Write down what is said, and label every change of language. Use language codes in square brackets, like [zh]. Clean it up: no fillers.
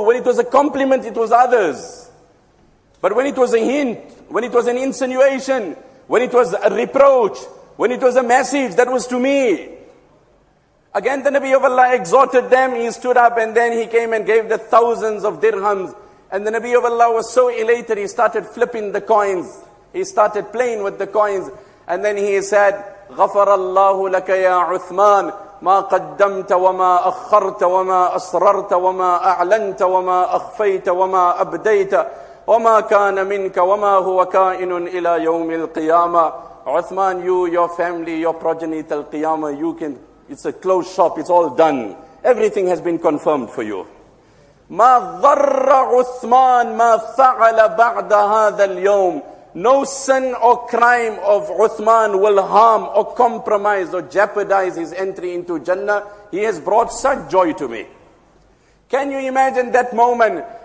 [en] When it was a compliment, it was others. But when it was a hint, when it was an insinuation, when it was a reproach, when it was a message, that was to me. Again, the Nabi of Allah exhorted them. He stood up and then he came and gave the thousands of dirhams. And the Nabi of Allah was so elated, he started flipping the coins. He started playing with the coins. [ar] And then he said, غَفَرَ اللَّهُ لَكَ يَا عُثْمَانَ مَا قَدَّمْتَ وَمَا أَخَّرْتَ وَمَا أَسْرَرْتَ وَمَا أَعْلَنْتَ وَمَا أَخْفَيْتَ وَمَا أَبْدَيْتَ وَمَا كَانَ مِنْكَ وَمَا هُوَ كَائِنٌ إِلَى يَوْمِ الْقِيَامَةِ [en] Uthman, you, your family, your progeny till Qiyamah, you can, it's a closed shop, it's all done. Everything has been confirmed for you. [ar] مَا ضَرَّ عُثْمَانَ مَا فَعَلَ بَعْدَ هَذَا الْيَوْمِ [en] No sin or crime of Uthman will harm or compromise or jeopardize his entry into Jannah. He has brought such joy to me. Can you imagine that moment?